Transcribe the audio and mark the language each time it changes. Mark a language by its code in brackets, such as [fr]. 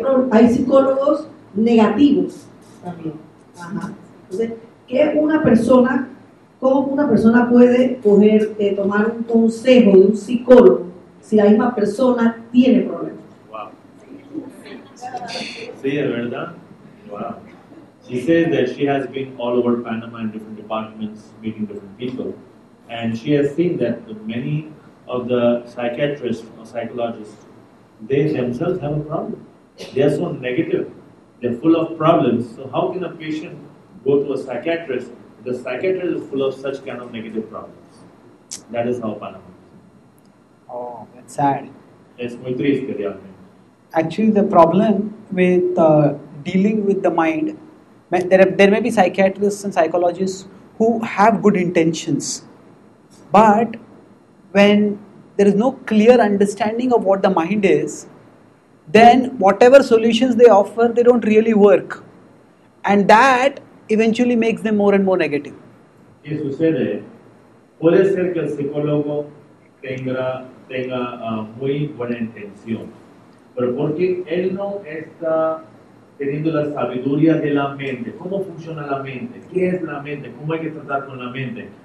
[es] Hay psicólogos negativos también. Ajá. Entonces, ¿qué una persona, cómo una persona puede coger, tomar un consejo de un psicólogo si la misma persona tiene problemas? Wow. Sí, es verdad. Wow. [en] She says that she has been all over Panama in different departments, meeting different people. And she has seen that many of the psychiatrists or psychologists, they themselves have a problem. They are so negative. They're full of problems. So how can a patient go to a psychiatrist? The psychiatrist is full of such kind of negative problems. That is how Panama is. Oh, that's sad. It's [es] muy triste, realmente. [en] Actually, the problem with dealing with the mind, there may be psychiatrists and psychologists who have good intentions, but when there is no clear understanding of what the mind is, then whatever solutions they offer, they don't really work, and that eventually makes them more and more negative. [es] ¿Qué sucede? Puede ser que el psicólogo tenga muy buena intención, pero porque él no está teniendo la sabiduría de la mente, cómo funciona la mente, qué es la mente, cómo hay que tratar con la mente.